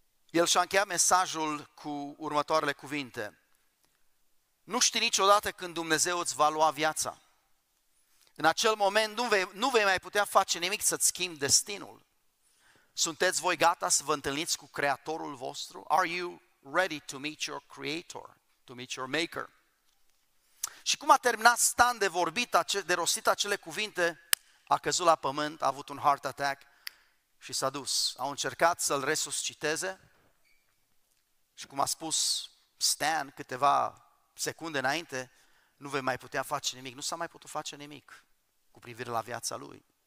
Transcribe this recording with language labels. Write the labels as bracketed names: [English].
[Romanian] El și-a încheiat mesajul cu următoarele cuvinte. Nu știi niciodată când Dumnezeu îți va lua viața. În acel moment nu vei mai putea face nimic să-ți schimbi destinul. Sunteți voi gata să vă întâlniți cu Creatorul vostru? [English] Are you ready to meet your Creator, to meet your Maker? [Romanian] Și cum a terminat Stan de rostit acele cuvinte, A căzut la pământ, a avut un [English] heart attack [Romanian] și s-a dus. Au încercat să-l resusciteze și cum a spus Stan câteva secunde înainte, nu vei mai putea face nimic, nu s-a mai putut face nimic cu privire la viața lui.